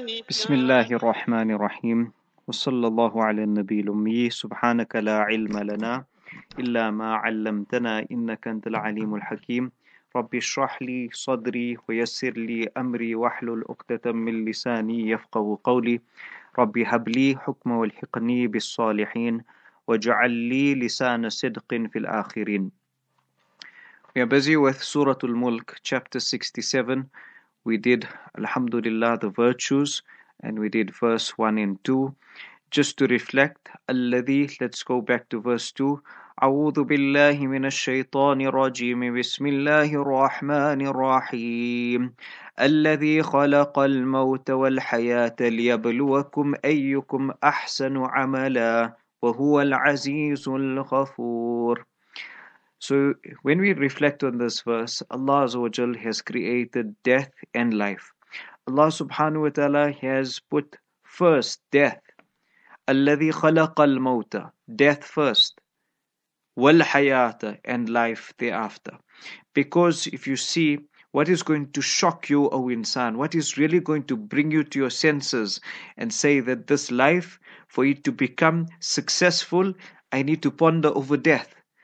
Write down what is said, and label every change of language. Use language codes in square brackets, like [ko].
[ar] بسم الله الرحمن الرحيم وصلى الله على النبي الأمي سبحانك لا علم لنا إلا ما علمتنا إنك أنت العليم الحكيم رب اشرح لي صدري ويسر لي أمري واحلل عقدة من لساني يفقه قولي رب هب لي حكم والحقني بالصالحين وجعل لي لسان صدق في الآخرين. [en] We are busy with Surah Al-Mulk, chapter 67. We did, Alhamdulillah, the virtues, and we did verse 1 and 2. Just to reflect, الذي, let's go back to verse 2. [ar] أعوذ بالله من الشيطان الرجيم بسم الله الرحمن الرحيم الذي خلق الموت والحياة ليبلوكم أيكم أحسن عملا وهو العزيز الغفور. [en] So when we reflect on this verse, Allah Azza wa Jal has created death and life. Allah Subhanahu wa Ta'ala has put first death. [ar] الَّذِي خَلَقَ الْمَوْتَ [en] Death first. وَالْحَيَاةَ And life thereafter. Because if you see what is going to shock you, O insan, what is really going to bring you to your senses and say that this life, for it to become successful, I need to ponder over death.